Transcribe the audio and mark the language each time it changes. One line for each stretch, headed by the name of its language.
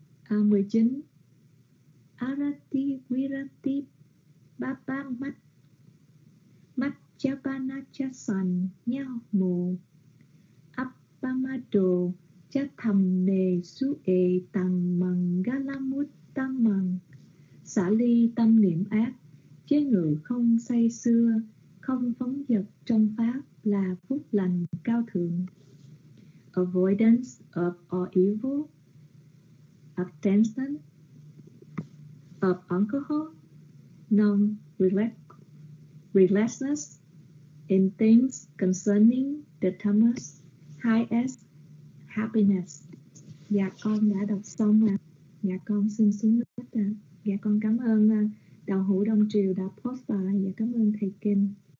Pali: 19. Arati virati bapa mat mat japana chasan nyau mo appamado chathamme su e tang mangalamuttamang.
Vietnamese: Xả ly tâm niệm ác, chế ngự không say xưa, không phóng dật trong pháp là phúc lành cao thượng.
English: Avoidance of all evil, abstention of alcohol, non-relentlessness in things concerning the tamas, highest happiness.
Vietnamese: Dạ con đã đọc xong rồi. Dạ con xin xuống lớp. Dạ con cảm ơn đạo hữu Đông Triều đã post bài. Dạ cảm ơn thầy Kim.